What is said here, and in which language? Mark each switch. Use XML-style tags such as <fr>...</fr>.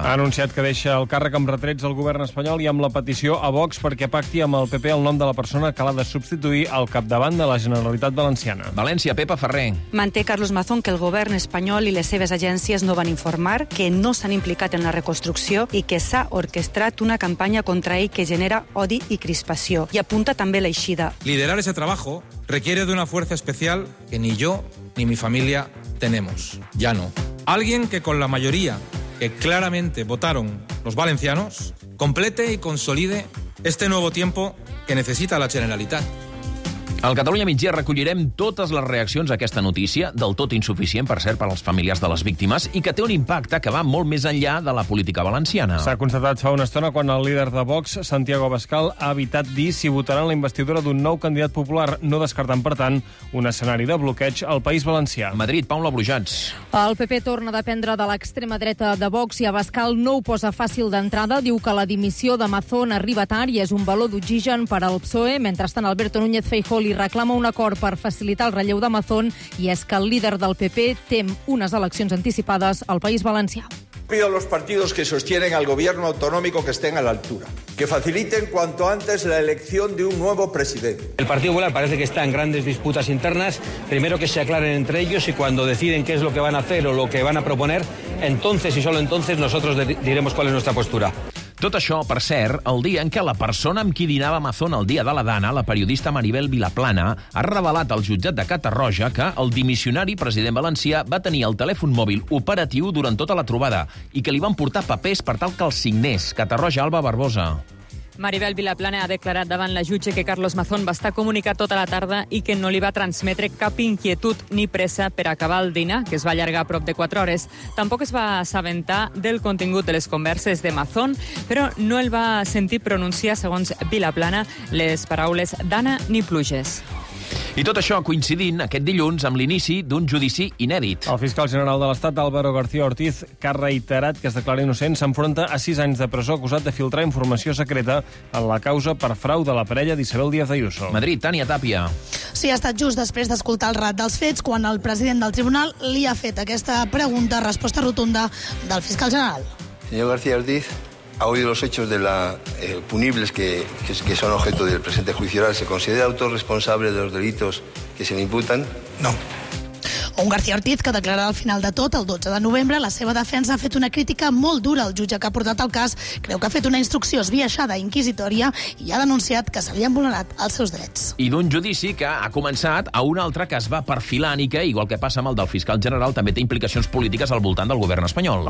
<ca>Ha anunciat que deixa el càrrec amb retrets al govern espanyol i amb la petició a Vox perquè pacti amb el PP el nom de la persona que l'ha de substituir al capdavant de la Generalitat Valenciana. València, Pepa Ferrer. Manté Carlos Mazón que el govern espanyol i les seves agències no van informar, que no s'han implicat en la reconstrucció i que s'ha orquestrat una campanya contra ell que genera odi i crispació. I apunta també l'eixida.</ca> <es>Liderar ese trabajo requiere de una fuerza especial que ni yo ni mi familia tenemos, ya no. Alguien que con la mayoría que claramente votaron los valencianos complete y consolide este nuevo tiempo que necesita la Generalitat.</es> <ca>Al Catalunya Migdia recollirem totes les reaccions a aquesta notícia, del tot insuficient, per cert, per als familiars de les víctimes, i que té un impacte que va molt més enllà de la política valenciana. S'ha constatat fa una estona quan el líder de Vox, Santiago Abascal, ha evitat dir si votaran la investidura d'un nou candidat popular, no descartant, per tant, un escenari de bloqueig al País Valencià. Madrid, Paula Brujats. El PP torna a dependre de l'extrema dreta de Vox i Abascal no ho posa fàcil d'entrada. Diu que la dimissió de Mazón arriba tard i és un baló d'oxigen per al PSOE, mentrestant Alberto Núñez Feijóo reclama un acord per facilitar el relleu d'Amazon i és que el líder del PP tem unes eleccions anticipades al País Valencià.</ca> <es>Pido a los partidos que sostienen al gobierno autonómico que estén a la altura, que faciliten cuanto antes la elección de un nuevo presidente. El Partido Popular parece que está en grandes disputas internas, primero que se aclaren entre ellos y cuando deciden qué es lo que van a hacer o lo que van a proponer, entonces y solo entonces nosotros diremos cuál es nuestra postura.</es> <ca>Tot això, per cert, el dia en què la persona amb qui dinava Mazón el dia de la Dana, la periodista Maribel Vilaplana, ha revelat al jutjat de Catarroja que el dimissionari president valencià va tenir el telèfon mòbil operatiu durant tota la trobada i que li van portar papers per tal que el signés. Catarroja, Alba Barbosa. Maribel Vilaplana ha declarat davant la jutge que Carlos Mazón va estar comunicat tota la tarda i que no li va transmetre cap inquietud ni pressa per acabar el dinar, que es va allargar a prop de 4 hores. Tampoc es va assabentar del contingut de les converses de Mazón, però no el va sentir pronunciar, segons Vilaplana, les paraules Dana ni pluges. I tot això coincidint aquest dilluns amb l'inici d'un judici inèdit. El fiscal general de l'Estat, Álvaro García Ortiz, que ha reiterat que es declara innocent, s'enfronta a 6 anys de presó acusat de filtrar informació secreta en la causa per frau de la parella d'Isabel Díaz Ayuso. Madrid, Tània Tàpia. Sí, ha estat just després d'escoltar el rat dels fets quan el president del tribunal li ha fet aquesta pregunta, resposta rotunda del fiscal general.</ca> <es>Señor García Ortiz, ha oído los hechos de la punibles que son objeto del presente juicio oral. ¿Se considera autorresponsable de los delitos que se le imputan? No.</es> <ca>Un García Ortiz que declararà al final de tot el 12 de novembre. La seva defensa ha fet una crítica molt dura al jutge que ha portat el cas. Creu que ha fet una instrucció esbiaixada i inquisitòria i ha denunciat que se li han vulnerat els seus drets. I d'un judici que ha començat a un altre que es va perfilant i que, igual que passa amb el del fiscal general, també té implicacions polítiques al voltant del govern espanyol.</ca>